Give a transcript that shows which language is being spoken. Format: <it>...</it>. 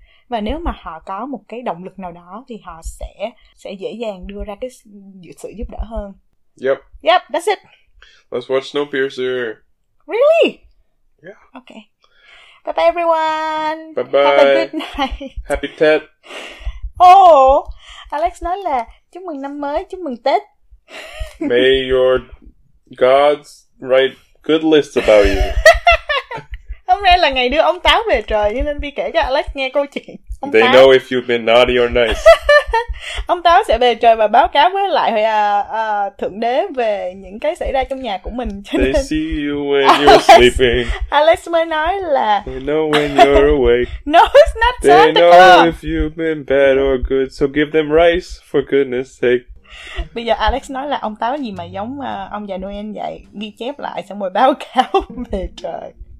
<vi>Và nếu mà họ có một cái động lực nào đó thì họ sẽ dễ dàng đưa ra cái sự giúp đỡ hơn.</vi> <en>Yep. Yep, that's it. Let's watch Snowpiercer. Really? Yeah. Okay. Bye bye everyone. Bye bye. Have a good night. Happy Tết.</en> <vi>Oh, Alex nói là chúc mừng năm mới, chúc mừng Tết.</vi> <en>May your gods write good lists about you.</en> <vi>Hôm nay là ngày đưa ông Táo về trời, nên Vi kể cho Alex nghe câu chuyện.</vi> <en>They know if you've been naughty or nice.</en> <vi>Ông Táo sẽ về trời và báo cáo với lại Thượng Đế về những cái xảy ra trong nhà của mình.</vi> <en>They see you when you're sleeping.</en> <vi>Alex mới nói là</vi> <en>they know when you're awake. No, it's not Santa. They know if you've been bad or good, so give them rice, for goodness sake.</en> <vi>Bây giờ Alex nói là ông Táo gì mà giống ông già Noel vậy, ghi chép lại xong rồi báo cáo về trời.</vi>